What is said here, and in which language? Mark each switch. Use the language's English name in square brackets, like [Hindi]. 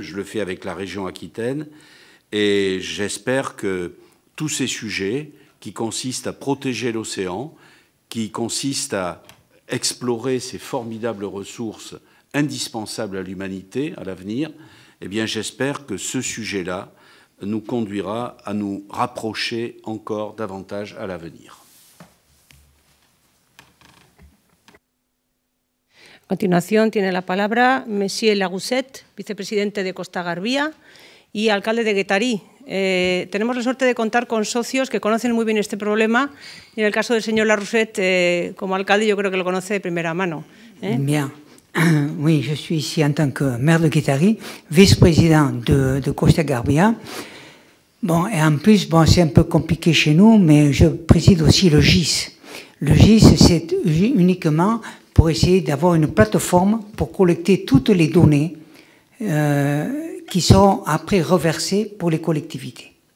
[French] Je le fais avec la région Aquitaine. Et j'espère que tous ces sujets qui consistent à protéger l'océan, qui consistent à explorer ces formidables ressources indispensables à l'humanité, à l'avenir, eh bien j'espère que ce sujet-là nous conduira à nous rapprocher encore davantage à l'avenir. [Spanish] A continuación tiene la palabra Monsieur Lagusset, vicepresidente de Costa Garbia y alcalde de Guétari. Tenemos la suerte de contar con socios que conocen muy bien este problema y en el caso del señor Lagusset, como alcalde, yo creo que lo conoce de primera mano. Bien. [French] Oui, je suis ici en tant que maire de Guétari, vice-président de Costa Garbia. Bon, et en plus, bon, c'est un peu compliqué chez nous, mais je préside aussi le GIS. Le GIS, c'est uniquement pour essayer d'avoir une plateforme pour collecter toutes les données qui seront après reversées pour les collectivités.